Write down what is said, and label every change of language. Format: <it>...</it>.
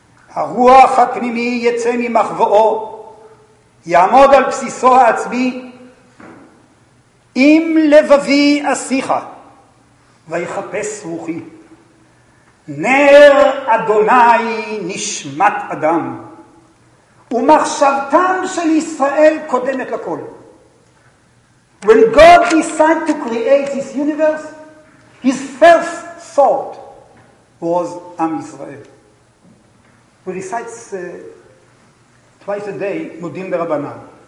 <he>הרוח הפנימי יצא ממחוואו, יעמוד על בסיסו העצמי, אם לבבי אשיחה, ויחפש רוחי. נר אדוני נשמת אדם. ומחשבתם של ישראל קודמת לכל.</he> <en>When God decided to create this universe, his first thought was Am Israel. We recite twice a day,</en> <he>מודים ברבנן.</he>